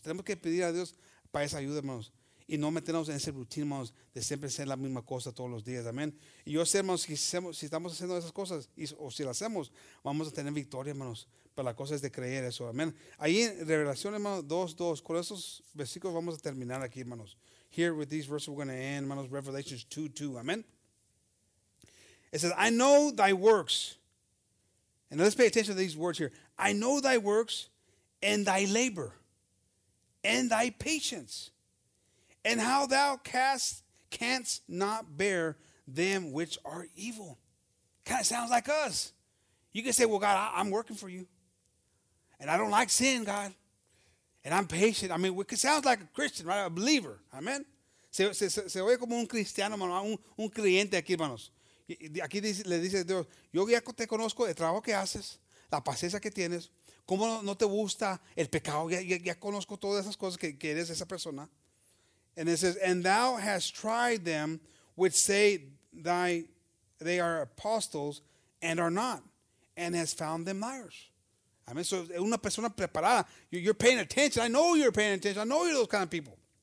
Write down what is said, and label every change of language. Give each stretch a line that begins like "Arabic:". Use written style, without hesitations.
Spanish: Tenemos que pedir a Dios para esa ayuda, hermanos. Y no meternos en ese rutina, hermanos, de siempre hacer la misma cosa todos los días. Amén. Y yo sé, hermanos, si estamos haciendo esas cosas, o si las hacemos, vamos a tener victoria, hermanos. Pero la cosa es de creer eso. Amén. Ahí en Revelación, hermanos, 2:2. Con esos versículos vamos a terminar aquí, hermanos.
English: Here with these verses we're going to end, hermanos, Revelation 2:2. Amén. It says, I know thy works. And let's pay attention to these words here. I know thy works and thy labor and thy patience. And how thou canst not bear them which are evil. Kind of sounds like us. You can say, well, God, I'm working for you. And I don't like sin, God. And I'm patient. I mean, it sounds like a Christian, right? A believer. Amen.
Spanish: Se oye como un cristiano, un creyente aquí, hermanos. Aquí le dice Dios, yo ya te conozco el trabajo que haces, la paciencia que tienes, cómo no te gusta el pecado. Ya conozco todas esas cosas que eres esa persona.
English: And it says, and thou hast tried them which say they are apostles and are not, and has found them liars. I mean, so
Spanish: una persona preparada,
English: you're paying attention. I know you're paying attention. I know you're those kind of people.